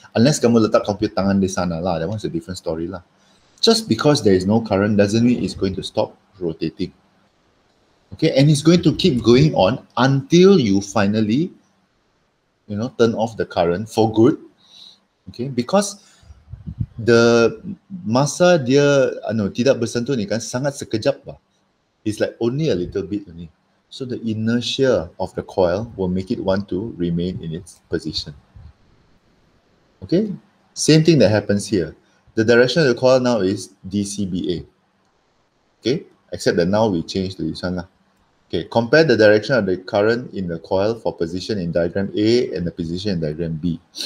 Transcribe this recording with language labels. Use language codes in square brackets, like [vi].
[en] Unless [ms] kamu letak kamu punya tangan di sana lah, [en] that one's a different story lah. Just because there is no current doesn't mean it's going to stop rotating. Okay, and it's going to keep going on until you finally turn off the current for good, okay? Because the [ms] masa dia tidak bersentuh ni kan sangat sekejap lah. [en] It's like only a little bit only. So the inertia of the coil will make it want to remain in its position. Okay, same thing that happens here. The direction of the coil now is DCBA. Okay, except that now we change to this one lah. Okay, compare the direction of the current in the coil for position in diagram A and the position in diagram B.